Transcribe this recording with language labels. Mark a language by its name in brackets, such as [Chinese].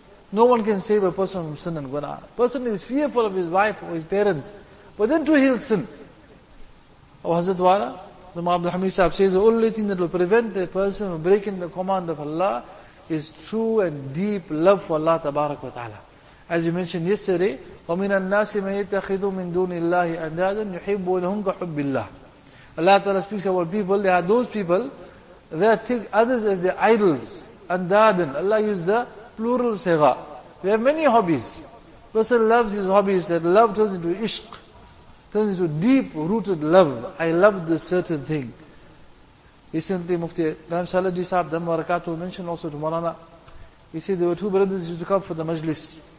[English] No one can save a person from sin and guna. Person is fearful of his wife or his parents. But then too he'll sin. Oh, Hazrat Wala, the Imam Abdul Hamid Sahib says, the only thing that will prevent a person from breaking the command of Allah is true and deep love for Allah Tabarak wa Ta'ala. As you mentioned yesterday, [Arabic] وَمِنَ النَّاسِ مَنْ يَتَّخِذُ مِنْ دُونِ اللَّهِ أَنْدَادًا يُحِبُّونَهُمْ كَحُبِّ اللَّهِ. [English] Allah Ta'ala speaks about people, there are those people that take others as their idols. أَنْدَادًا, Allah uses the plural sigha. We have many hobbies. Person loves his hobbies, that love turns into ishq, turns into deep-rooted love. I love this certain thing. Recently, Mufti Naim Salaji Sahib Dhamma Rakatu mentioned also to Marana, he said there were two brothers who used to come for the majlis.